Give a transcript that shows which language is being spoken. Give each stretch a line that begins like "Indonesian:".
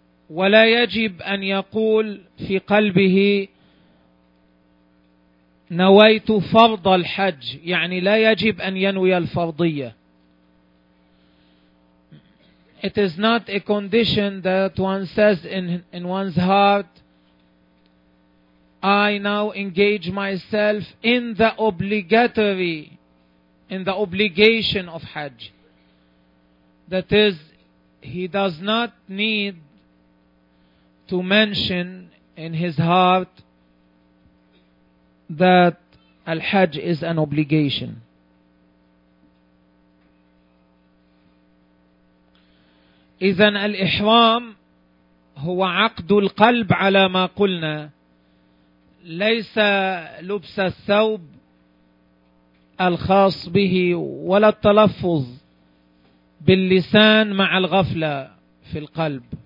Arabic: ولا يجب أن يقول في قلبه نويت فرض الحج, يعني لا يجب أن ينوي الفرضية.
English: It is not a condition that one says in one's heart, I now engage myself in the obligatory, in the obligation of Hajj. That is, he does not need to mention in his heart that Al-Hajj is an obligation.
Arabic: إذن الإحرام هو عقد القلب على ما قلنا, ليس لبس الثوب الخاص به ولا التلفظ باللسان مع الغفلة في القلب.